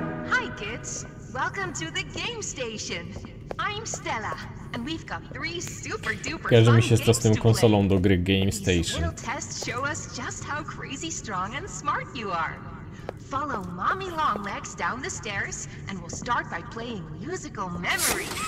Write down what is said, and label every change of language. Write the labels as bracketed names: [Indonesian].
[English] Hi kids, welcome to the game station. I'm Stella and we've got three super duper. [Polish] Kojarzy mi się to z tym konsolą do gry Game Station. [English] We'll test show us just how crazy strong and smart you are. Follow Mommy Longlegs down the stairs and we'll start by playing musical memory.